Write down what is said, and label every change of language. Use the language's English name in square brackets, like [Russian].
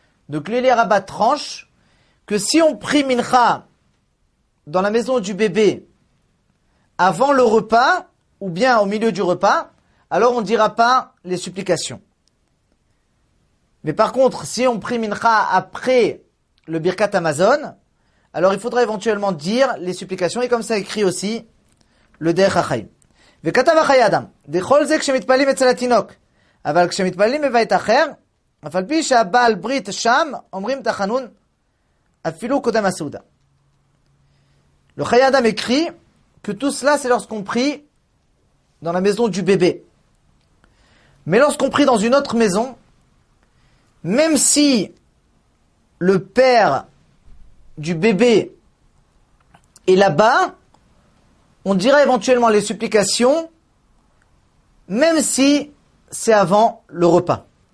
[French] Donc l'Eli Rabba tranche que si on prie Mincha dans la maison du bébé avant le repas ou bien au milieu du repas, alors on ne dira pas les supplications. Mais par contre, si on prie Mincha après le Birkat Amazon, alors il faudra éventuellement dire les supplications et comme ça écrit aussi le Derech HaChaim. [Hebrew] Vekata vachayadam, dechol zek shemitpalim etzel atinok. אבל כשמתפללים בבית אחר, אף על פי שהבעל ברית שם, אומרים תחנון, אפילו קודם הסעודה. [French] Le חיי אדם écrit que tout cela, c'est lorsqu'on prie dans la maison du bébé. Mais lorsqu'on prie dans une autre maison, même si le père du bébé est là-bas, on dira éventuellement les supplications, même si c'est avant le repas.